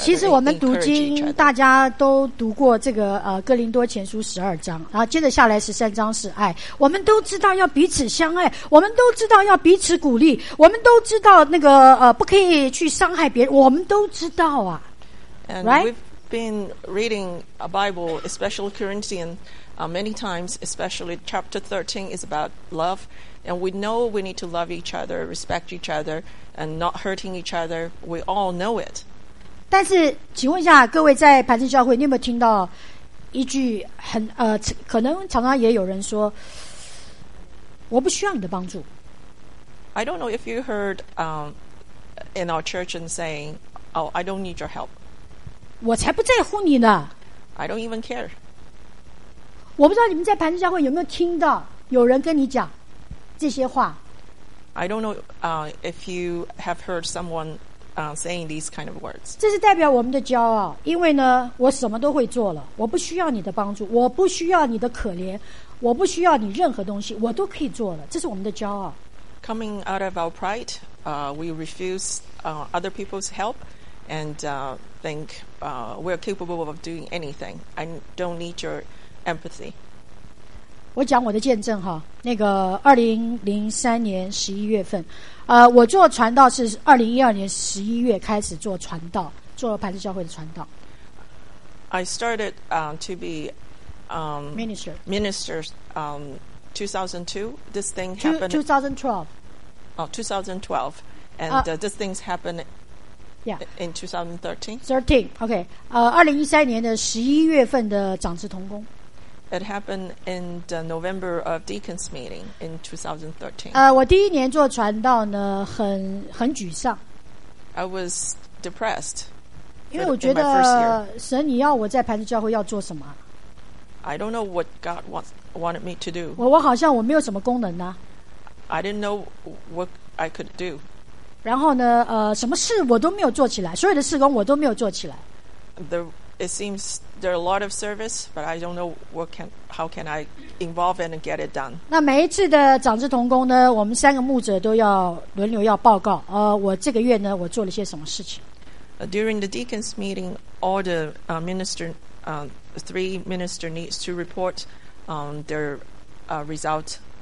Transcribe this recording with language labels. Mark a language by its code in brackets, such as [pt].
[zh] 其实我们读经，大家都读过这个哥林多前书十二章，然后接着下来十三章是爱。我们都知道要彼此相爱，我们都知道要彼此鼓励，我们都知道那个不可以去伤害别人，我们都知道啊。 [en] And we've been reading a Bible, especially Corinthians, many times, especially chapter 13 is about love, and we know we need to love each other, respect each other, and not hurting each other. We all know it. [zh] 但是，请问一下，各位在磐石教会，你有没有听到一句很可能常常也有人说，我不需要你的帮助。 [en] I don't know if you heard in our church and saying, "Oh, I don't need your help." [zh] 我才不在乎你呢。 [en] I don't even care. [zh] 我不知道你们在磐石教会有没有听到有人跟你讲这些话。 [en] I don't know if you have heard someone saying these kind of words. [zh] 这是代表我们的骄傲，因为呢，我什么都会做了，我不需要你的帮助，我不需要你的可怜，我不需要你任何东西，我都可以做了，这是我们的骄傲。 [en] Coming out of our pride, we refuse other people's help and think we're capable of doing anything. I don't need your empathy. [zh] 我讲我的见证哈，那个2003年11月份，我做传道是2012年11月开始做传道，做磐石教会的传道。 [en] I started to be minister. Minister 2002, this thing happened. 2012, and this things happened in [zh] 2013. 13, okay. 2013年的11月份的长职同工。 [en] It happened in the November of Deacons Meeting in 2013. [zh] 我第一年做传道呢，很沮丧。 [en] I was depressed. [zh] 因为我觉得神，你要我在磐石教会要做什么？ [en] I don't know what God wanted me to do. [zh] 我好像我没有什么功能啊。 [en] I didn't know what I could do. [zh] 然后呢，什么事我都没有做起来，所有的事工我都没有做起来。 [en] It seems there are a lot of service, but I don't know how can I involve and get it done. [zh] 那每一次的长职同工呢，我们三个牧者都要轮流要报告。我这个月呢，我做了些什么事情 [en] ？During the deacons meeting, all the ministers. Three minister needs to report their result.